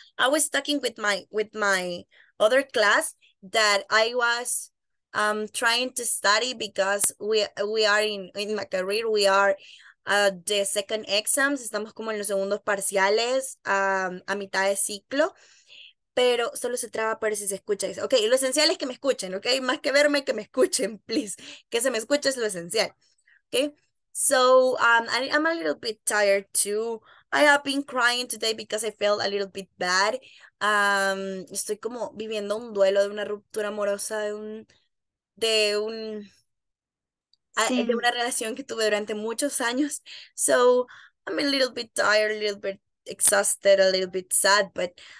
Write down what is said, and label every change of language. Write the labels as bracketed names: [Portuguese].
[English] I was talking with my other class that I was trying to study because we are in my career, we are the second exams. [Spanish] Estamos como en los segundos parciales, a mitad de ciclo. Pero solo se traba por si se escucha. Ok, lo esencial es que me escuchen, ok. Más que verme, que me escuchen, please. Que se me escuche es lo esencial. Ok. [English] So, I'm a little bit tired too. I have been crying today because I felt a little bit bad. [Spanish] Estoy como viviendo un duelo de una ruptura amorosa, de Sí. una relación que tuve durante muchos años. [English] So, I'm a little bit tired, a little bit exhausted, a little bit sad, but.